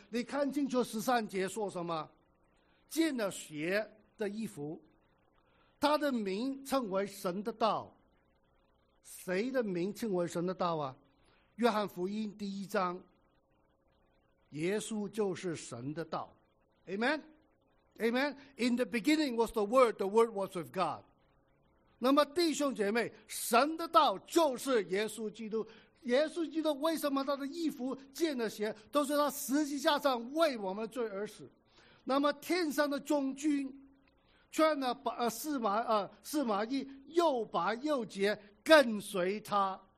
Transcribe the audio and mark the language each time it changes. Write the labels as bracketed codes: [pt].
[zh] 你看清楚十三节说什么？见了血的衣服，他的名称为神的道。谁的名称为神的道啊？约翰福音第一章，耶稣就是神的道。 [en] Amen Amen。 In the beginning was the word, the word was with God。 [zh] 那么弟兄姐妹，神的道就是耶稣基督。耶稣基督为什么他的衣服见了血，都是他十字架上为我们罪而死。那么天上的众军劝了四麻衣又白又洁跟随他。